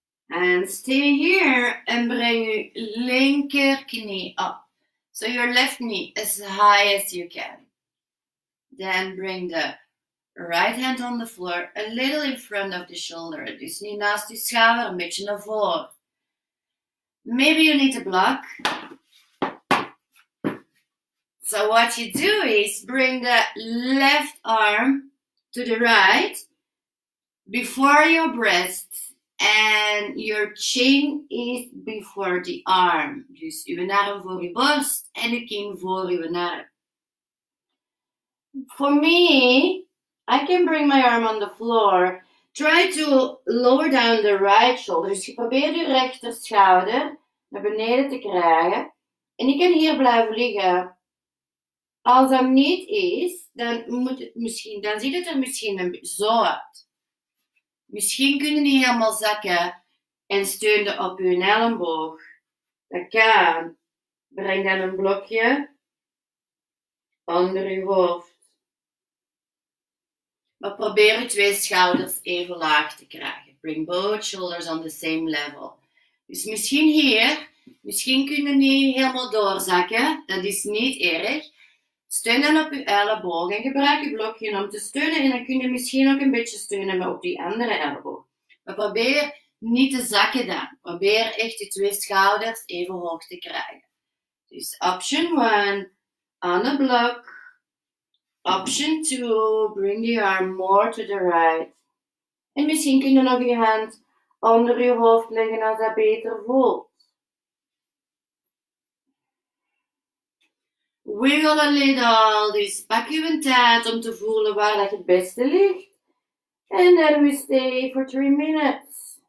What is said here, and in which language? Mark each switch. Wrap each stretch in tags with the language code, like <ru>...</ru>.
<en>And stay here and bring your linker knee up. So your left knee as high as you can. Then bring the right hand on the floor a little in front of the shoulder.</en> <nl>Dus niet naast die schouder, een beetje naar voren.</nl> <en>Maybe you need a block. So what you do is bring the left arm to the right before your breast. And your chin is before the arm.</en> <nl>Dus uw arm voor uw borst en uw kin voor uw arm.</nl> <en>For me, I can bring my arm on the floor. Try to lower down the right shoulder.</en> <nl>Dus je probeert je rechter schouder naar beneden te krijgen. En ik kan hier blijven liggen. Als dat niet is, dan moet het misschien, dan ziet het er misschien een beetje zo uit. Misschien kunnen die helemaal zakken en steunen op hun elleboog. Dat kan. Breng dan een blokje onder je hoofd. Maar probeer je twee schouders even laag te krijgen.</nl> <en>Bring both shoulders on the same level.</en> <nl>Dus misschien hier, misschien kunnen die helemaal doorzakken. Dat is niet erg. Steun dan op je elleboog en gebruik je blokje om te steunen. En dan kun je misschien ook een beetje steunen op die andere elleboog. Maar probeer Niet te zakken dan. Probeer echt je twee schouders even hoog te krijgen.</nl> <en>Dus option 1, on the block. Option 2, bring the arm more to the right.</en> <nl>En misschien kun je nog je hand onder je hoofd leggen als dat beter voelt.</nl> <en>Wiggle a little,</en> <nl>dus pak je een tijd om te voelen waar dat het beste ligt.</nl> <en>And then we stay for 3 minutes.</en>